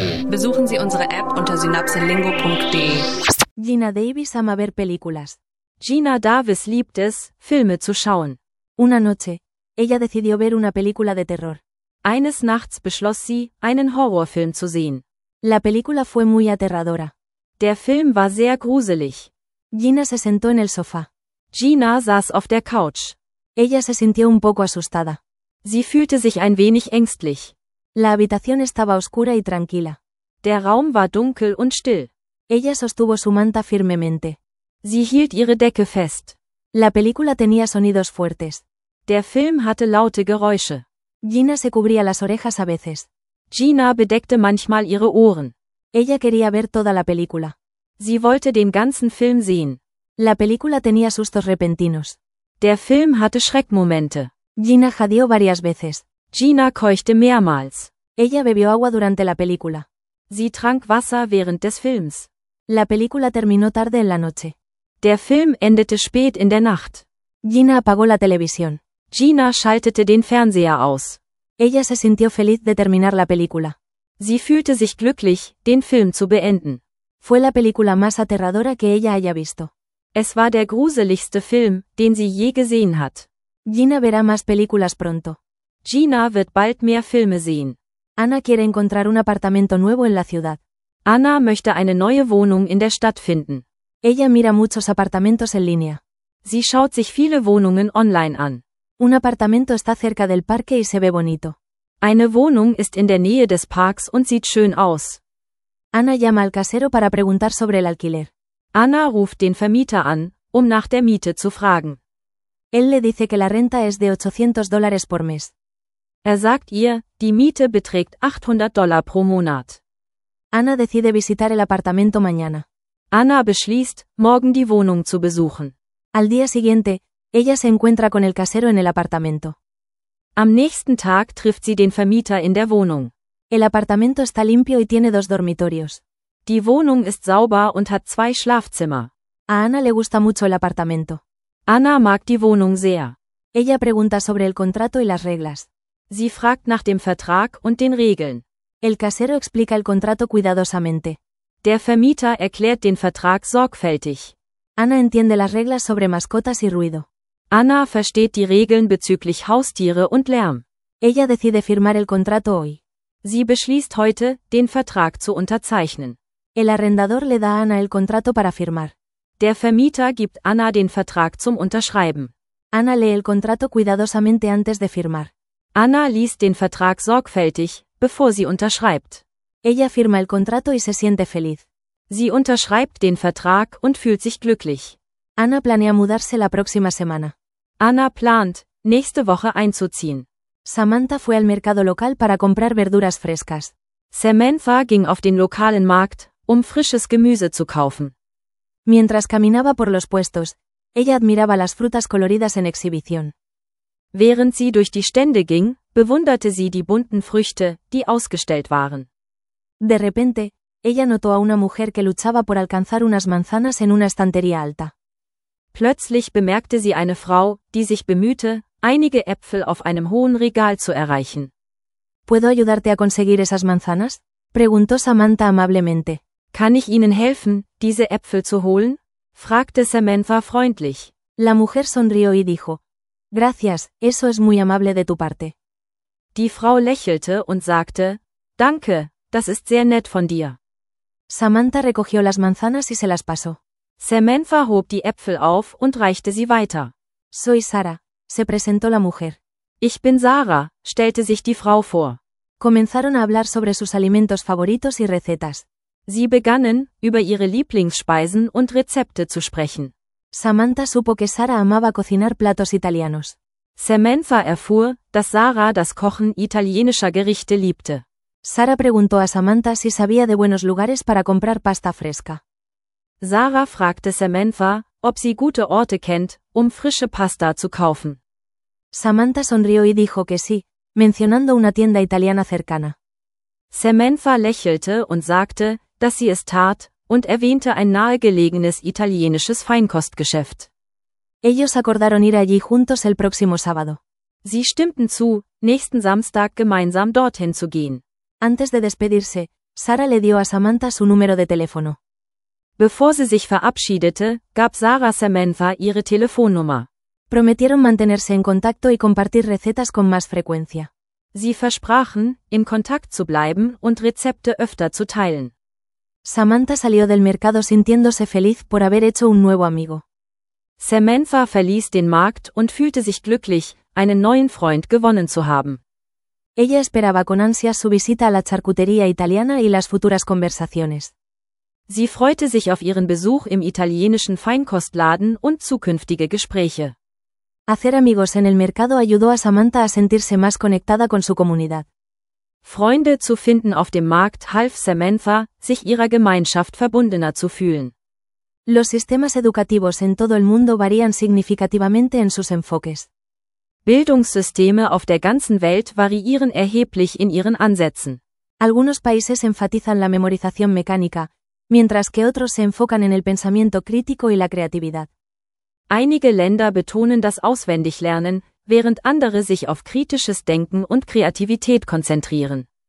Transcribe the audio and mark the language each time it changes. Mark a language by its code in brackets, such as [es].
[de] Besuchen Sie unsere App unter synapselingo.de. [es] Gina Davis ama ver películas. [de] Gina Davis liebt es, Filme zu schauen. [es] Una noche, ella decidió ver una película de terror. [de] Eines Nachts beschloss sie, einen Horrorfilm zu sehen. [es] La película fue muy aterradora. [de] Der Film war sehr gruselig. [es] Gina se sentó en el sofá. [de] Gina saß auf der Couch. [es] Ella se sintió un poco asustada. [de] Sie fühlte sich ein wenig ängstlich. [es] La habitación estaba oscura y tranquila. [de] Der Raum war dunkel und still. [es] Ella sostuvo su manta firmemente. [de] Sie hielt ihre Decke fest. [es] La película tenía sonidos fuertes. [de] Der Film hatte laute Geräusche. [es] Gina se cubría las orejas a veces. [de] Gina bedeckte manchmal ihre Ohren. [es] Ella quería ver toda la película. [de] Sie wollte den ganzen Film sehen. [es] La película tenía sustos repentinos. [de] Der Film hatte Schreckmomente. [es] Gina jadeó varias veces. [de] Gina keuchte mehrmals. [es] Ella bebió agua durante la película. [de] Sie trank Wasser während des Films. [es] La película terminó tarde en la noche. [de] Der Film endete spät in der Nacht. [es] Gina apagó la televisión. [de] Gina schaltete den Fernseher aus. [es] Ella se sintió feliz de terminar la película. [de] Sie fühlte sich glücklich, den Film zu beenden. [es] Fue la película más aterradora que ella haya visto. [de] Es war der gruseligste Film, den sie je gesehen hat. [es] Gina verá más películas pronto. [de] Gina wird bald mehr Filme sehen. [es] Anna quiere encontrar un apartamento nuevo en la ciudad. [de] Anna möchte eine neue Wohnung in der Stadt finden. [es] Ella mira muchos apartamentos en línea. [de] Sie schaut sich viele Wohnungen online an. [es] Un apartamento está cerca del parque y se ve bonito. [de] Eine Wohnung ist in der Nähe des Parks und sieht schön aus. [es] Anna llama al casero para preguntar sobre el alquiler. [de] Anna ruft den Vermieter an, um nach der Miete zu fragen. [es] Él le dice que la renta es de $800 por mes. [de] Er sagt ihr, die Miete beträgt $800 pro Monat. [es] Anna decide visitar el apartamento mañana. [de] Anna beschließt, morgen die Wohnung zu besuchen. [es] Al día siguiente, ella se encuentra con el casero en el apartamento. [de] Am nächsten Tag trifft sie den Vermieter in der Wohnung. [es] El apartamento está limpio y tiene dos dormitorios. [de] Die Wohnung ist sauber und hat zwei Schlafzimmer. [es] A Anna le gusta mucho el apartamento. [de] Anna mag die Wohnung sehr. [es] Ella pregunta sobre el contrato y las reglas. [de] Sie fragt nach dem Vertrag und den Regeln. [es] El casero explica el contrato cuidadosamente. [de] Der Vermieter erklärt den Vertrag sorgfältig. [es] Anna entiende las reglas sobre mascotas y ruido. [de] Anna versteht die Regeln bezüglich Haustiere und Lärm. [es] Ella decide firmar el contrato hoy. [de] Sie beschließt heute, den Vertrag zu unterzeichnen. [es] El arrendador le da a Anna el contrato para firmar. [de] Der Vermieter gibt Anna den Vertrag zum Unterschreiben. [es] Anna lee el contrato cuidadosamente antes de firmar. [de] Anna liest den Vertrag sorgfältig, bevor sie unterschreibt. [es] Ella firma el contrato y se siente feliz. [de] Sie unterschreibt den Vertrag und fühlt sich glücklich. [es] Anna planea mudarse la próxima semana. [de] Anna plant, nächste Woche einzuziehen. [es] Samantha fue al mercado local para comprar verduras frescas. [de] Samantha ging auf den lokalen Markt, um frisches Gemüse zu kaufen. [es] Mientras caminaba por los puestos, ella admiraba las frutas coloridas en exhibición. [de] Während sie durch die Stände ging, bewunderte sie die bunten Früchte, die ausgestellt waren. [es] De repente, ella notó a una mujer que luchaba por alcanzar unas manzanas en una estantería alta. [de] Plötzlich bemerkte sie eine Frau, die sich bemühte, einige Äpfel auf einem hohen Regal zu erreichen. [es] ¿Puedo ayudarte a conseguir esas manzanas? Preguntó Samantha amablemente. [de] ¿Kann ich Ihnen helfen, diese Äpfel zu holen? Fragte Samantha freundlich. [es] La mujer sonrió y dijo: Gracias, eso es muy amable de tu parte. [de] Die Frau lächelte und sagte: Danke, das ist sehr nett von dir. [es] Samantha recogió las manzanas y se las pasó. [de] Samantha hob die Äpfel auf und reichte sie weiter. [es] Soy Sara, se presentó la mujer. [de] Ich bin Sarah, stellte sich die Frau vor. [es] Comenzaron a hablar sobre sus alimentos favoritos y recetas. [de] Sie begannen, über ihre Lieblingsspeisen und Rezepte zu sprechen. [es] Samantha supo que Sara amaba cocinar platos italianos. [de] Samantha erfuhr, dass Sarah das Kochen italienischer Gerichte liebte. [es] Sara preguntó a Samantha si sabía de buenos lugares para comprar pasta fresca. [de] Sarah fragte Samantha, ob sie gute Orte kennt, um frische Pasta zu kaufen. [es] Samantha sonrió y dijo que sí, mencionando una tienda italiana cercana. [de] Samantha lächelte und sagte, dass sie es tat, und erwähnte ein nahegelegenes italienisches Feinkostgeschäft. [es] Ellos acordaron ir allí juntos el próximo sábado. [de] Sie stimmten zu, nächsten Samstag gemeinsam dorthin zu gehen. [es] Antes de despedirse, Sarah le dio a Samantha su número de teléfono. [de] Bevor sie sich verabschiedete, gab Sarah Samantha ihre Telefonnummer. [es] Prometieron mantenerse en contacto y compartir recetas con más frecuencia. [de] Sie versprachen, in Kontakt zu bleiben und Rezepte öfter zu teilen. [es] Samantha salió del mercado sintiéndose feliz por haber hecho un nuevo amigo. [de] Samantha verließ den Markt und fühlte sich glücklich, einen neuen Freund gewonnen zu haben. [es] Ella esperaba con ansias su visita a la charcutería italiana y las futuras conversaciones. [de] Sie freute sich auf ihren Besuch im italienischen Feinkostladen und zukünftige Gespräche. [es] Hacer amigos en el mercado ayudó a Samantha a sentirse más conectada con su comunidad. [de] Freunde zu finden auf dem Markt half Samantha, sich ihrer Gemeinschaft verbundener zu fühlen. [es] Los sistemas educativos en todo el mundo varían significativamente en sus enfoques. [de] Bildungssysteme auf der ganzen Welt variieren erheblich in ihren Ansätzen. [es] Algunos países enfatizan la memorización mecánica, mientras que otros se enfocan en el pensamiento crítico y la creatividad. [de] Einige Länder betonen das Auswendiglernen, während andere sich auf kritisches Denken und Kreativität konzentrieren.